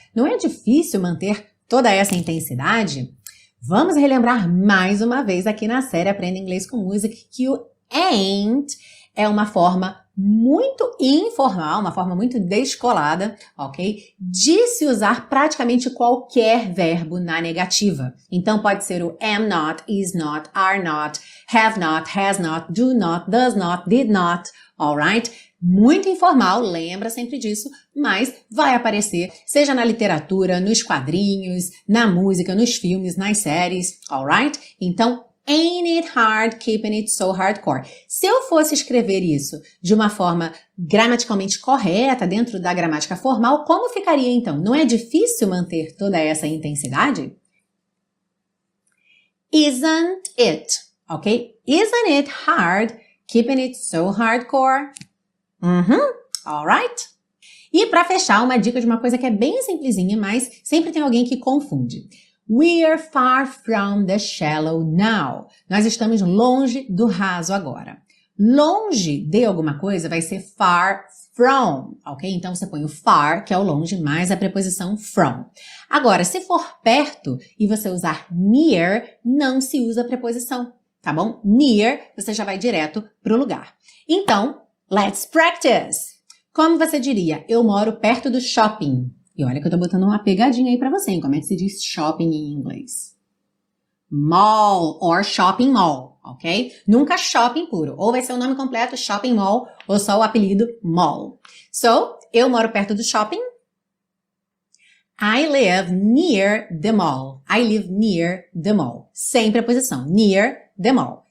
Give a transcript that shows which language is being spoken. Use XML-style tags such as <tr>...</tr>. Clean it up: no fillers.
<pt>Não é difícil manter toda essa intensidade? Vamos relembrar mais uma vez aqui na série Aprenda Inglês com Música que o ain't é uma forma muito informal, uma forma muito descolada, ok? De se usar praticamente qualquer verbo na negativa. Então pode ser o am not, is not, are not, have not, has not, do not, does not, did not, alright? Muito informal, lembra sempre disso, mas vai aparecer, seja na literatura, nos quadrinhos, na música, nos filmes, nas séries, alright? Então,</pt> <en>Ain't it hard keeping it so hardcore?</en> <pt>Se eu fosse escrever isso de uma forma gramaticalmente correta, dentro da gramática formal, como ficaria então? Não é difícil manter toda essa intensidade?</pt> <en>Isn't it? Ok? Isn't it hard keeping it so hardcore? Uhum. Alright?</en> <pt>E para fechar, uma dica de uma coisa que é bem simplesinha, mas sempre tem alguém que confunde.</pt> <en>We're far from the shallow now.</en> <pt>Nós estamos longe do raso agora. Longe de alguma coisa vai ser far from, ok? Então você põe o far, que é o longe, mais a preposição from. Agora, se for perto e você usar near, não se usa a preposição, tá bom? Near, você já vai direto pro lugar. Então,</pt> <en>let's practice!</en> <pt>Como você diria, eu moro perto do shopping? E olha que eu tô botando uma pegadinha aí pra você, hein? Como é que se diz shopping em inglês?</pt> <en>Mall or shopping mall, ok?</en> <pt>Nunca shopping puro. Ou vai ser o nome completo, shopping mall, ou só o apelido mall. So, eu moro perto do shopping.</pt> <en>I live near the mall. I live near the mall.</en> <pt>Sem preposição,</pt> <en>near the mall.</en>